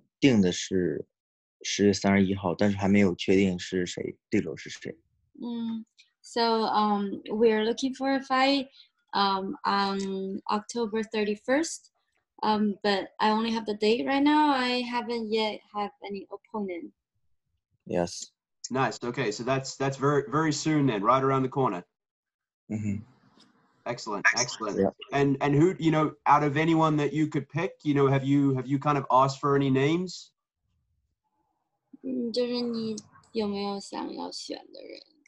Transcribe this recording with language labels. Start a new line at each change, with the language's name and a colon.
Chinese: 我的那个比赛定的是10月31号，但是还没有确定是谁对手是谁。
English: So we are looking for a fight on October 31st, but I only have the date right now. I haven't yet have any opponent. Yes. Nice. Okay, so that's very, very soon then, right around the corner. Mm-hmm. Excellent. Yeah. And who, out of anyone that you could pick, have you kind of asked for any names?
Chinese: 就是你有没有想要选的人？